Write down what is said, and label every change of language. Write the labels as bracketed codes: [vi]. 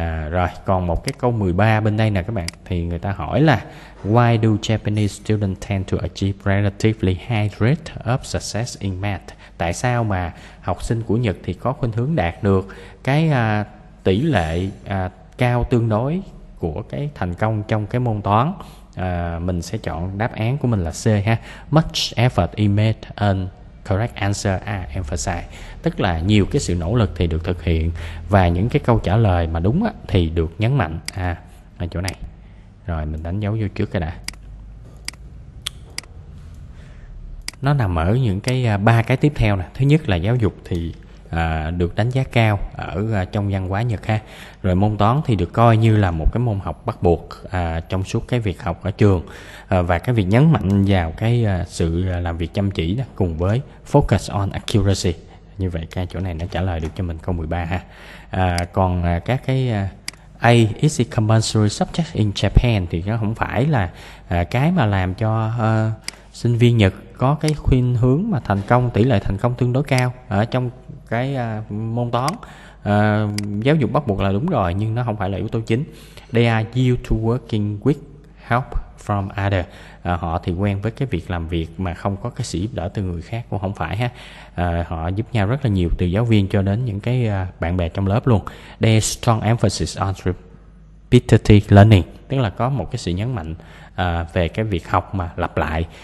[vi] Rồi còn một cái câu 13 bên đây nè các bạn, thì người ta hỏi là [en] why do Japanese students tend to achieve relatively high rate of success in math? [vi] Tại sao mà học sinh của Nhật thì có khuynh hướng đạt được cái tỷ lệ cao tương đối của cái thành công trong cái môn toán? Mình sẽ chọn đáp án của mình là C ha. [en] Much effort is made and correct answer are emphasized. [vi] Tức là nhiều cái sự nỗ lực thì được thực hiện, và những cái câu trả lời mà đúng thì được nhấn mạnh ở chỗ này. Rồi mình đánh dấu vô trước cái đã. Nó nằm ở những cái ba cái tiếp theo nè. Thứ nhất là giáo dục thì được đánh giá cao ở trong văn hóa Nhật ha. Rồi môn toán thì được coi như là một cái môn học bắt buộc trong suốt cái việc học ở trường, và cái việc nhấn mạnh vào cái sự làm việc chăm chỉ đó, cùng với [en] focus on accuracy. [vi] Như vậy cái chỗ này nó trả lời được cho mình câu 13 ha. Còn các cái A, [en] is it compulsory subject in Japan, [vi] thì nó không phải là cái mà làm cho sinh viên Nhật có cái khuynh hướng mà thành công, tỷ lệ thành công tương đối cao ở trong cái môn toán. Giáo dục bắt buộc là đúng rồi, nhưng nó không phải là yếu tố chính. [en] They are used to working with help from others. [vi] Họ thì quen với cái việc làm việc mà không có cái sự giúp đỡ từ người khác cũng không phải ha. Họ giúp nhau rất là nhiều, từ giáo viên cho đến những cái bạn bè trong lớp luôn. [en] They strong emphasis on repetitive learning, [vi] tức là có một cái sự nhấn mạnh về cái việc học mà lặp lại.